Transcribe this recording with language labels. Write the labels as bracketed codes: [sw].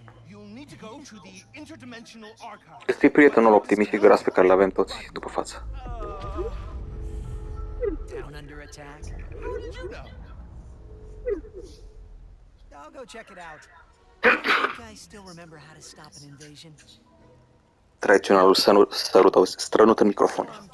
[en] You'll need to go to the interdimensional archive. [ro] Este prietenul optimist gras pe care îl avem toți după față. [en] Down under attack. How did you know? I'll go check it out. I still remember how to stop an invasion. [ro] Tradiționalul sărut strănut în microfon.